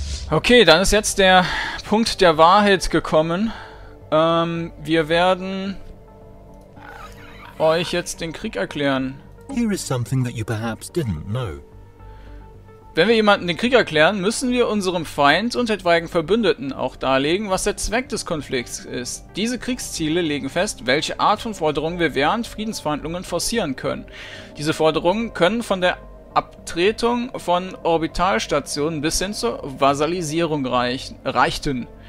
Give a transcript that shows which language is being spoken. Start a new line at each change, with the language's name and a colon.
German: Okay, dann ist jetzt der Punkt der Wahrheit gekommen. Wir werden euch jetzt den Krieg erklären.
English: Here is something that you perhaps didn't know.
German: Wenn wir jemanden den Krieg erklären, müssen wir unserem Feind und etwaigen Verbündeten auch darlegen, was der Zweck des Konflikts ist. Diese Kriegsziele legen fest, welche Art von Forderungen wir während Friedensverhandlungen forcieren können. Diese Forderungen können von der Abtretung von Orbitalstationen bis hin zur Vasalisierung reichten.